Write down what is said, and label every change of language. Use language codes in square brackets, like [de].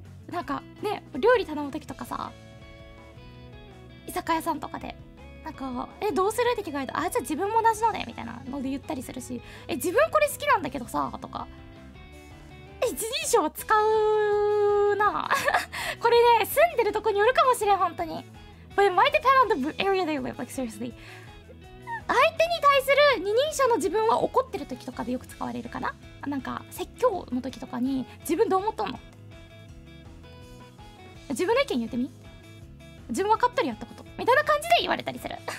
[ja] なんかね、料理頼むときとかさ、居酒屋さんとかで。なんか、え、どうするって聞かれたら、あ、じゃあ自分も同じのね、みたいなので言ったりするし、え、自分これ好きなんだけどさ、とか。一人称使うなこれね、住んでるとこによるかもしれん、本当に。 [en] But it might depend on the area they live, like seriously. [ja] 相手に対する二人称の自分は怒ってる時とかでよく使われるかな。なんか、説教の時とかに、自分どう思ったの、自分の意見言ってみ、自分分かっとるやったことみたいな感じで言われたりする。